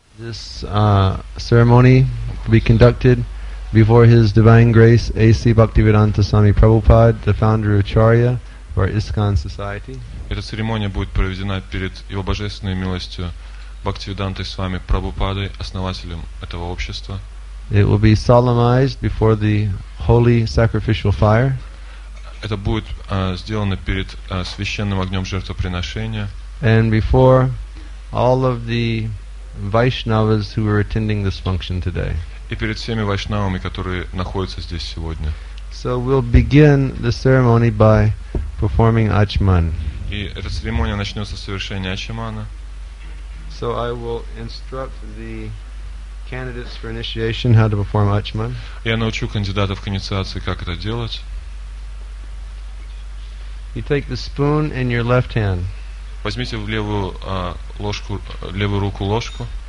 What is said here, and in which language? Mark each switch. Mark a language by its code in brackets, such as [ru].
[en] This ceremony be conducted before His Divine Grace A.C. Bhaktivedanta Swami Prabhupada, the founder of Acharya of our ISKCON society. [ru] Эта церемония будет проведена перед Его Божественной милостью Бхактивиданта Свами Прабхупадой, основателем этого общества. [en] It will be solemnized before the holy sacrificial fire. [ru] Это будет сделано перед священным огнем жертвоприношения. [en] And before all of the Vaishnavas who are attending this function today. [ru] И перед всеми вайшнавами, которые находятся здесь сегодня. [en] So we'll begin the ceremony by performing Ачман. [ru] И эта церемония начнется с совершения Ачмана. [en] So I will instruct the candidates for initiation how to perform Ачман. [ru] Я научу кандидатов к инициации, как это делать. [en] You take the spoon in your left hand. [ru] Возьмите в левую ложку, левую руку ложку.